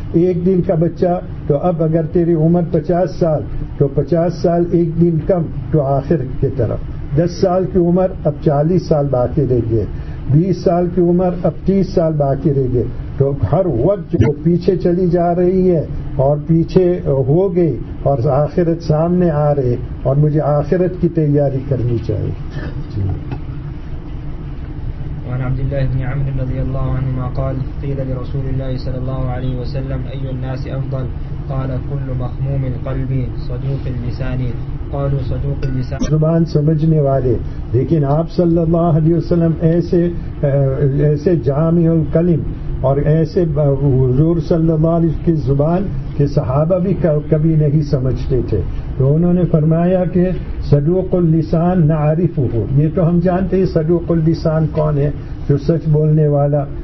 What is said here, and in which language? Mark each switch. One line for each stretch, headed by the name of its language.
Urdu: ایک دن کا بچہ تو اب اگر تیری عمر 50 سال تو 50 سال ایک دن کم تو آخر کی طرف, 10 سال کی عمر اب 40 سال باقی رہ گئے, 20 سال کی عمر اب 30 سال باقی رہ گئے, تو ہر وقت جو پیچھے چلی جا رہی ہے اور پیچھے ہو گئی اور آخرت سامنے آ رہے اور مجھے آخرت کی تیاری کرنی چاہیے.
Arabic: وعن عبد الله بن عمرو رضي الله عنهما قال قيل لرسول الله صلى الله عليه وسلم أي الناس أفضل؟ قال كل مخموم القلب صدوق اللسان. قالوا صدوق اللسان
Urdu: زبان سمجھنے والے. لیکن آپ صلی اللہ علیہ وسلم ایسے جامع القلم اور ایسے حضور صلی اللہ علیہ وسلم کی زبان کے صحابہ بھی کبھی نہیں سمجھتے تھے. تو انہوں نے فرمایا کہ
Arabic: صدوق اللسان نعرفہ,
Urdu: یہ تو ہم جانتے ہیں صدوق اللسان کون ہے جو سچ بولنے والا.